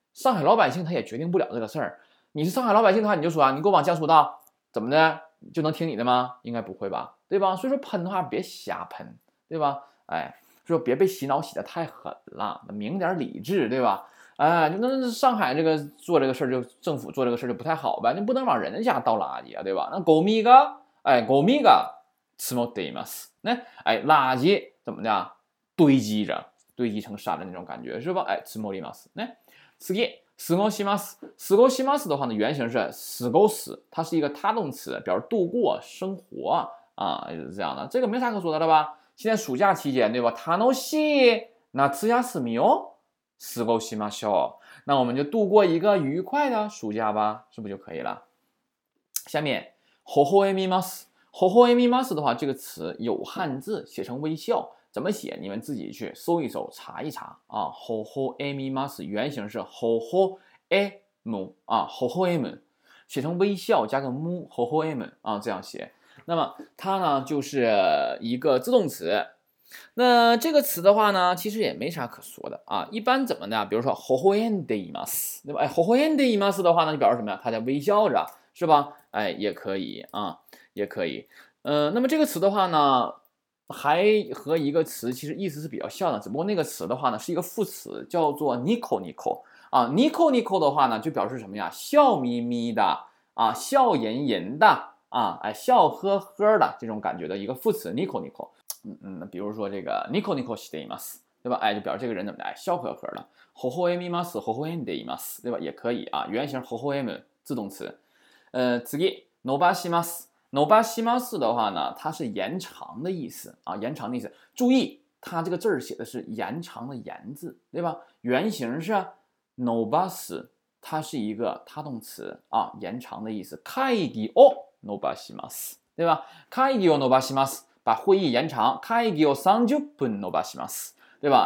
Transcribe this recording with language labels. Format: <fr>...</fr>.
<zh>上海老百姓他也决定不了这个事儿。你是上海老百姓的话，你就说啊，你给我往江苏倒，怎么的就能听你的吗？应该不会吧，对吧？所以说喷的话别瞎喷，对吧？哎，说别被洗脑洗得太狠了，明点理智，对吧？哎，就那上海这个做这个事儿，就政府做这个事儿就不太好呗，你不能往人家倒垃圾啊，对吧？</zh> <ja>那ゴミが，哎，ゴミが積もっています。</ja> <zh>那哎，垃圾怎么的，堆积着，堆积成山的那种感觉，是吧？哎，積もります。那次。すごします。すごします的话呢，原型是すごす，它是一个他动词，表示度过、生活啊，就是这样的。这个没啥可说的了吧？现在暑假期间，对吧？</zh> <ja>楽しい夏休みをすごしましょう。</ja> <zh>那我们就度过一个愉快的暑假吧，是不是就可以了？下面，ほほえみます。ほほえみます的话，这个词有汉字，写成微笑。怎么写？你们自己去搜一搜，查一查啊。ほほえみます，原型是ほほえむ啊，ほほえむ，写成微笑加个む，ほほえむ啊，这样写。那么它呢就是一个自动词。那这个词的话呢，其实也没啥可说的啊。一般怎么的？比如说ほほえんでいます，对吧？哎，ほほえんでいます的话呢，就表示什么呀？他在微笑着，是吧？哎，也可以啊，也可以。那么这个词的话呢？还和一个词其实意思是比较像的，只不过那个词的话呢是一个副词，叫做 nico nico 啊。 nico nico 的话呢就表示什么呀？笑眯眯的啊，笑吟吟的啊，哎，笑呵呵的这种感觉的一个副词 nico nico。比如说这个</zh> <ja>nico nico しています，</ja> <zh>对吧？哎，就表示这个人怎么的，哎，笑呵呵的。ほほえみます、ほほえんでいます，对吧？也可以啊，原型ほほえむ自动词。次伸ばします。伸ばします的话呢，它是延长的意思啊，延长的意思。注意，它这个字儿写的是延长的"延"字，对吧？原型是伸ばす，它是一个他动词啊，延长的意思。</zh> <ja>会議を伸ばします，</ja> <zh>对吧？</zh> <ja>会議を伸ばします，</ja> <zh>把会议延长。</zh> <ja>会議を30分伸ばします，</ja> <zh>对吧？</zh>